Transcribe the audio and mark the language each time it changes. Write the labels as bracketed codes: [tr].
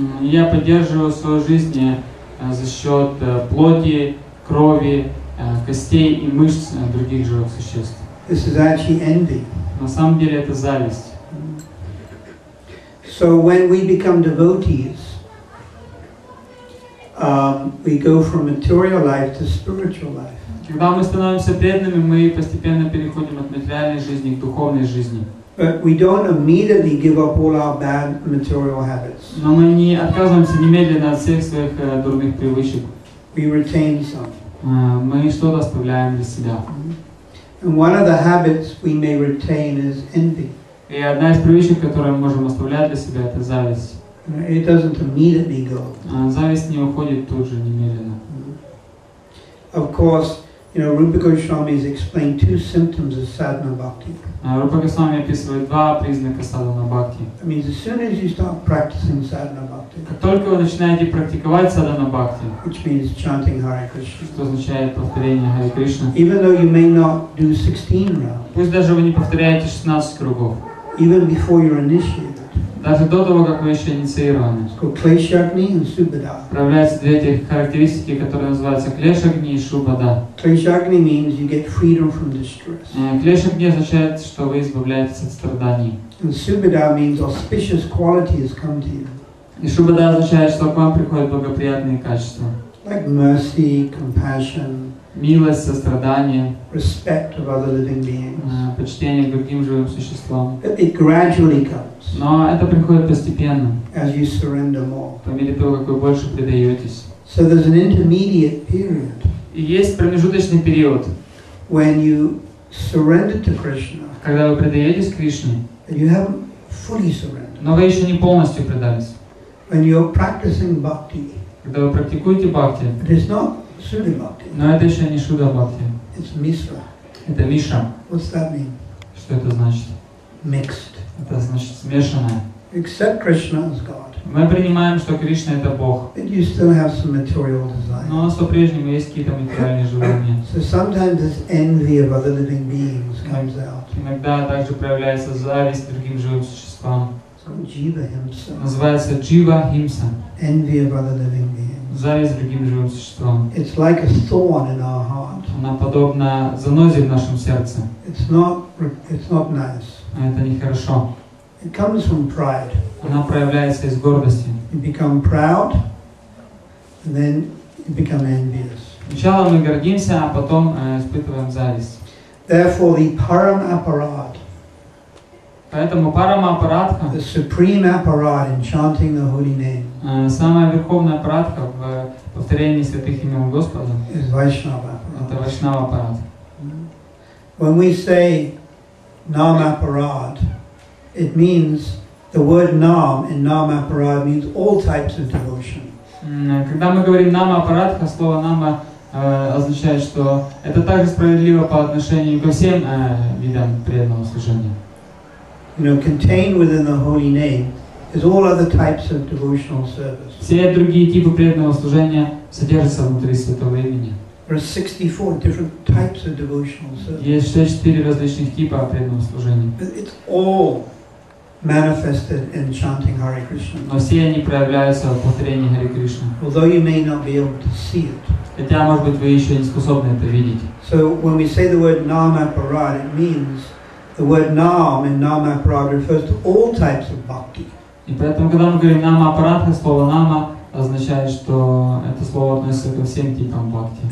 [ru] Я поддерживаю свою жизнь за счет плоти, крови, костей и мышц других живых существ. [en] This is actually envy. [ru] На самом деле это зависть. [en] So when we become devotees, we go from material life to spiritual life. [ru] Когда мы становимся преданными, мы постепенно переходим от материальной жизни к духовной жизни. [en] But we don't immediately give up all our bad material habits. [ru] Но мы не отказываемся немедленно от всех своих дурных привычек. [en] We retain some. [ru] Мы что-то оставляем для себя. [en] And one of the habits we may retain is envy. [ru] И одна из привычек, которую мы можем оставлять для себя, это зависть. [en] It doesn't immediately go. [ru] Зависть не уходит тут же немедленно. [en] Of course, you know, Rupa Goswami has explained two symptoms of sadhana bhakti. [ru] Рупа Госвами описывает два признака садхана бхакти. [en] That means as soon as you start practicing sadhana bhakti. [ru] Как только вы начинаете практиковать садхана бхакти. [en] Which means chanting Hare Krishna. [ru] Что означает повторение Харе Кришна. [en] Even though you may not do 16 rounds. [ru] Пусть даже вы не повторяете 16 кругов. [en] Even before you're initiated. [ru] Даже до того, как вы еще инициированы. [en] It's called Kleshagni and Subhada. [ru] Проявляются две эти характеристики, которые называются Kleshagni и Subhada. [en] Kleshagni means you get freedom from distress. [ru] Kleshagni означает, что вы избавляетесь от страданий. [en] And Subhada means auspicious qualities come to you. [ru] И Subhada означает, что к вам приходят благоприятные качества. [en] Like mercy, compassion. [ru] Милость, сострадание. [en] Respect of other living beings. [ru] Почтение к другим живым существам. [en] It gradually comes. [ru] Но это приходит постепенно. [en] As you surrender more. [ru] По мере того, как вы больше предаетесь. [en] So there's an intermediate period. [ru] И есть промежуточный период. [en] When you surrender to Krishna. [ru] Когда вы предаетесь Кришне. [en] And you haven't fully surrendered. [ru] Но вы еще не полностью предались. [en] When you're practicing bhakti. [ru] Когда вы практикуете бхакти. [en] It is not Shuddha Bhakti. [ru] Но это еще не Shuddha Bhakti. [en] It's Mishra. [ru] Это Мишра. [en] What's that mean? [ru] Что это значит? [en] Mixed. [ru] Это значит смешанное. [en] Accept Krishna as God. [ru] Мы принимаем, что Кришна это Бог. [en] But you still have some material desires. [ru] Но у нас по-прежнему есть какие-то материальные желания. [en] So sometimes this envy of other living beings comes out. [ru] Иногда также проявляется зависть к другим живым существам. [en] It's called Jiva Himsa. [ru] Называется Jiva Himsa. [en] Envy of other living beings. [ru] Зависть к другим живым существам. [en] It's like a thorn in our heart. [ru] Она подобна занозе в нашем сердце. [en] It's not nice. [ru] Это нехорошо. [en] It comes from pride. [uk] Вона проявляється із гордості. [en] You become proud, and then you become envious. [ru] Спочатку ми гордимся, а потім испытываем зависть. [en] Therefore the param apparat. [ru] Поэтому парама-апаратха, [en] the supreme apparat in chanting the holy name. [ru] Самая верховная аппаратка в повторении святых имен Господа. [en] Is Vaishnava. [ru] Это Вайшнава аппарат. [en] When we say nam apparat, it means the word nam in nam apparat means all types of devotion. [ru] Когда мы говорим нам апаратха, слово нама означает, что это также справедливо по отношению ко всем видам преданного служения. [en] You know, contained within the holy name is all other types of devotional service. [ru] Все другие типы преданного служения содержатся внутри святого имени. [en] There are 64 different types of devotional service. [ru] Есть 64 различных типа преданного служения. [en] But it's all manifested in chanting Hare Krishna. [ru] Но все они проявляются в повторении Харе Кришны. [en] Although you may not be able to see it. [ru] Хотя, может быть, вы еще не способны это видеть. [en] So when we say the word nama parad, it means the word nam in nama parad refers to all types of bhakti. [ru] И поэтому, когда мы говорим нама парад, слово нама означает, что это слово относится ко всем типам бхакти.